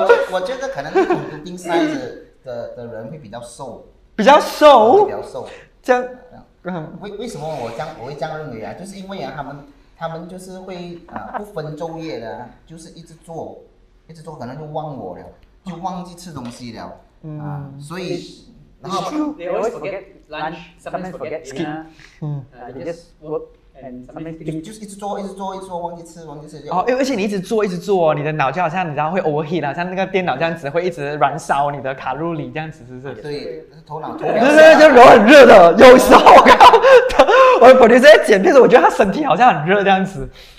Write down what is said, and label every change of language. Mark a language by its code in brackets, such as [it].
[zh] 我觉得可能丁三子的人会比较瘦，比较瘦，比较瘦。这样，为什么我会这样认为啊？就是因为啊，他们就是会不分昼夜的，就是一直做，可能就忘我了，就忘记吃东西了。所以然后 [en] they always forget lunch, sometimes forget dinner. They just work. And [zh] 就是一直做，忘记吃。而且你一直做，你的脑就好像你知道会 overheat 啊，像那个电脑这样子，会一直燃烧你的卡路里这样子，是不是？对，头脑对，就很热的，有时候我感觉在剪片时，我觉得他身体好像很热这样子。